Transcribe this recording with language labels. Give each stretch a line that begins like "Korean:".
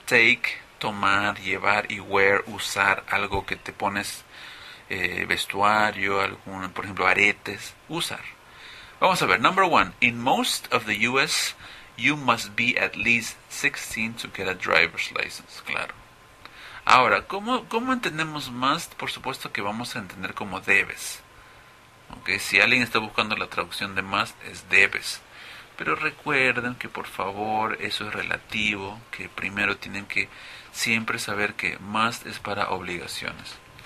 Spanish: Take, tomar, llevar. Y wear, usar algo que te pones, vestuario, algún, por ejemplo, aretes. Usar. Vamos a ver,
English: number one, in most of the US, you must be at least 16 to get a driver's license.
Spanish: Claro. Ahora, ¿cómo entendemos must? Por supuesto que vamos a entender como debes. Aunque ¿okay? Si alguien está buscando la traducción de must, es debes. Pero recuerden que por favor, eso es relativo, que primero tienen que siempre saber que must es para obligaciones.